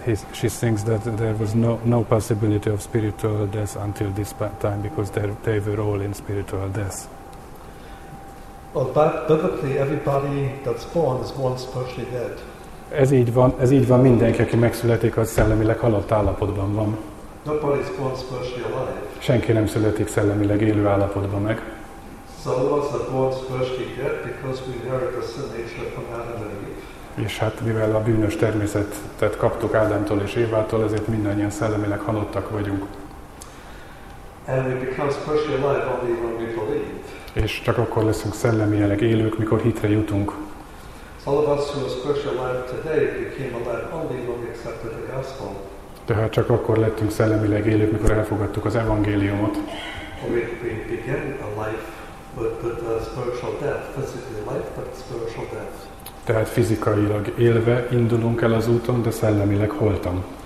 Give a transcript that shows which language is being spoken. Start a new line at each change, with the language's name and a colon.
English: She thinks that there was no possibility of spiritual death until this time, because they were all in spiritual death. Well, biblically, everybody that's born is born spiritually dead.
Hungarian: Ez így van, mindenki, aki megszületik, az szellemileg halott állapotban van.
English: Nobody is born spiritually alive.
Hungarian: Senki nem születik szellemileg élő állapotban meg.
English: So all of us are born spiritually dead because we inherit the sin nature from Adam and Eve.
Hungarian: És hát mivel a bűnös természetet kaptuk Ádámtól és Évától, ezért mindannyian szellemileg halottak vagyunk.
English: And we become spiritually alive only when we believe.
Hungarian: És csak akkor leszünk szellemileg élők, mikor hitre jutunk.
English: All of us who are spiritually alive today became alive only when we accepted the gospel.
Hungarian: Tehát csak akkor lettünk szellemileg élők, mikor elfogadtuk az evangéliumot.
English: We begin a life with a spiritual death, physically life, but spiritual death.
Hungarian: Tehát fizikailag élve indulunk el az úton, de szellemileg holtan.